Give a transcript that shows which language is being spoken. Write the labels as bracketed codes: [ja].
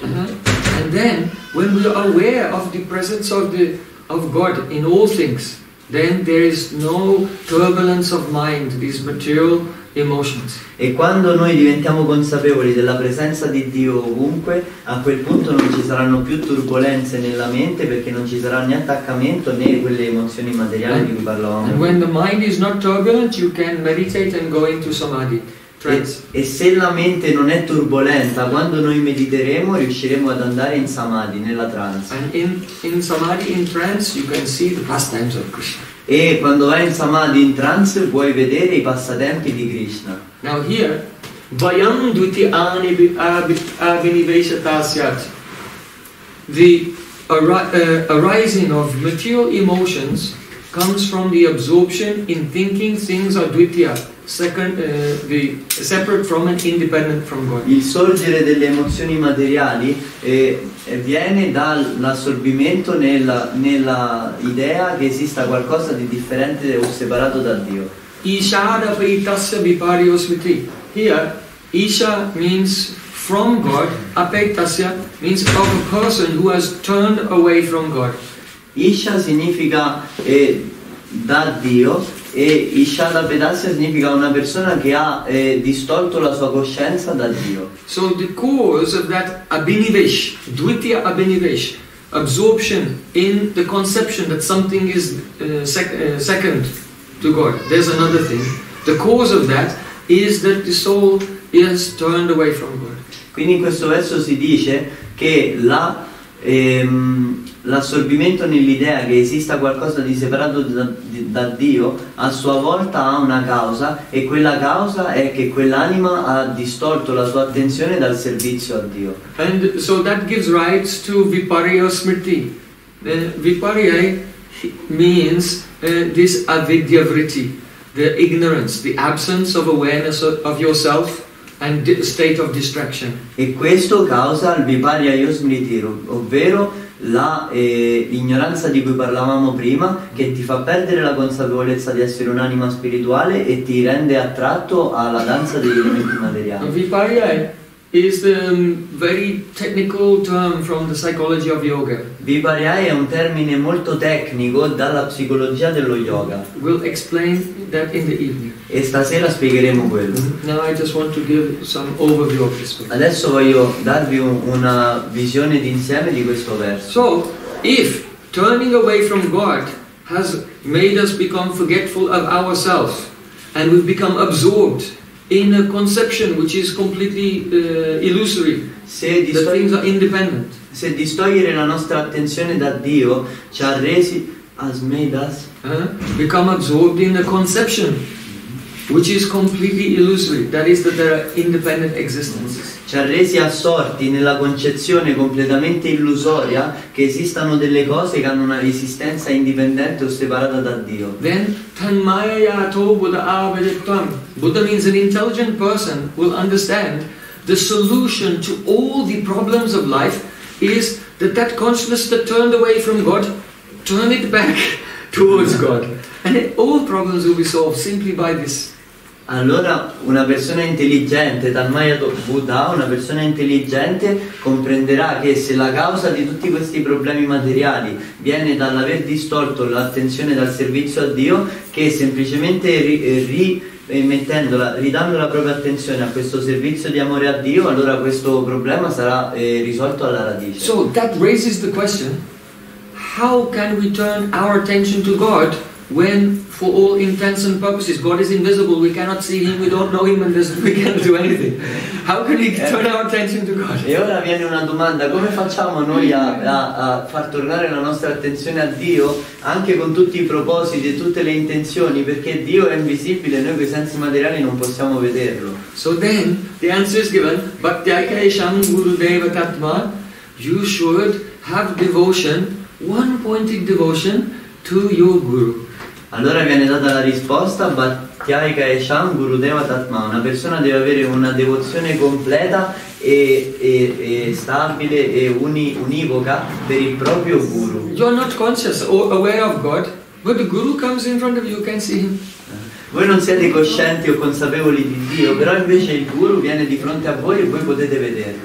[en] And then when we are aware of the presence of God in all things, then there is no turbulence of mind. This material emotions. [it] E quando noi diventiamo consapevoli della presenza di Dio ovunque, a quel punto non ci saranno più turbolenze nella mente, perché non ci sarà né attaccamento né quelle emozioni materiali di cui parlavamo. [en] And when the mind is not turbulent, you can meditate and go into samadhi. [it] E se la mente non è turbolenta, quando noi mediteremo riusciremo ad andare in samadhi, nella trance. [en] And in samadhi, in trance, you can see the pastimes of Krishna. [it] E quando vai in samadhi, in trance, puoi vedere i passatempi di Krishna. [en] Now here, [sa] vayam duti abhinivesatasyat, [en] the arising of material emotions comes from the absorption in thinking things are dvitya, separate from and independent from God. [it] Il sorgere delle emozioni materiali viene dall'assorbimento nella idea che esista qualcosa di differente o separato da Dio. [sa] Isha da peitasya viparyo smriti. [en] Here, Isha means from God, apeitasya means of a person who has turned away from God. [it] Isha significa da Dio, e Ishada Vedasya significa una persona che ha distolto la sua coscienza da Dio. [en] So the cause of that abhinivesh, dvitya abhinivesh, absorption in the conception that something is second to God, there's another thing, the cause of that is that the soul is turned away from God. [it] Quindi in questo verso si dice che l'assorbimento nell'idea che esista qualcosa di separato da Dio a sua volta ha una causa, e quella causa è che quell'anima ha distolto la sua attenzione dal servizio a Dio. [en] And so that gives rise to viparya smriti. Viparya means this avidya vritti, the ignorance, the absence of awareness of yourself and state of distraction. [it] E questo causa il viparya smriti, ovvero l'ignoranza di cui parlavamo prima, che ti fa perdere la consapevolezza di essere un'anima spirituale e ti rende attratto alla danza degli elementi materiali. [en] Viparya is a very technical term from the psychology of yoga. [it] Viparya è un termine molto tecnico dalla psicologia dello yoga. [en] We'll explain that in the evening. [it] E stasera spiegheremo quello. [en] Now I just want to give some overview of this. [it] Adesso voglio darvi una visione d'insieme di questo verso. [en] So, if turning away from God has made us become forgetful of ourselves and we've become absorbed in a conception which is completely illusory, that things are independent. [it] Se distogliere la nostra attenzione da Dio ci ha resi, [en] has made us become absorbed in a conception which is completely illusory, that is, that there are independent existences. [it] Ci ha resi assorti nella concezione completamente illusoria che esistano delle cose che hanno una esistenza indipendente o separata da Dio. [en] Then, [sa] tanmaya to bheda-abheda-tattva. [en] Buddha means an intelligent person will understand the solution to all the problems of life is that consciousness that turned away from God, turn it back towards God. And all problems will be solved simply by this. [it] Allora una persona intelligente, Tanmaya Buddha, una persona intelligente comprenderà che se la causa di tutti questi problemi materiali viene dall'aver distolto l'attenzione dal servizio a Dio, che semplicemente ridando la propria attenzione a questo servizio di amore a Dio, allora questo problema sarà risolto alla radice. [en] So that raises the question, how can we turn our attention to God when for all intents and purposes God is invisible, we cannot see him, we don't know him, and we can't do anything? How can we turn our attention to God? [it] E ora viene una domanda: come facciamo noi a far tornare la nostra attenzione a Dio anche con tutti i propositi e tutte le intenzioni, perché Dio è invisibile e noi coi sensi materiali non possiamo vederlo? [en] So then the answer is given, [sa] bhaktyaikaisham guru deva tatma, [en] you should have devotion, one-pointed devotion to your guru. [it] Allora viene data la risposta, [sa] Bhaktyaika Esham Gurudeva Tatma. [it] Una persona deve avere una devozione completa e stabile e univoca per il proprio guru. [en] You're not conscious or aware of God, but the guru comes in front of you, you can see him. [it] Voi non siete coscienti o consapevoli di Dio, però invece il Guru viene di fronte a voi e voi potete vederlo.